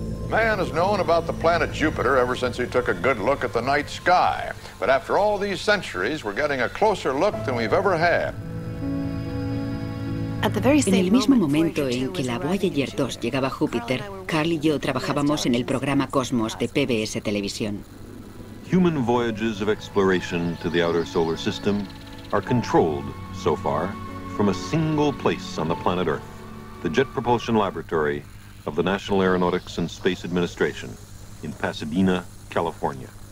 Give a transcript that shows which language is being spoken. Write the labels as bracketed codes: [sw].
[en] Man has known about the planet Jupiter ever since he took a good look at the night sky. But after all these centuries, we're getting a closer look than we've ever had. [es] En el mismo momento en que la Voyager 2 llegaba a Júpiter, Carl y yo trabajábamos en el programa Cosmos de PBS Televisión. [en] Human voyages of exploration to the outer solar system are controlled, so far, from a single place on the planet Earth, the Jet Propulsion Laboratory of the National Aeronautics and Space Administration in Pasadena, California.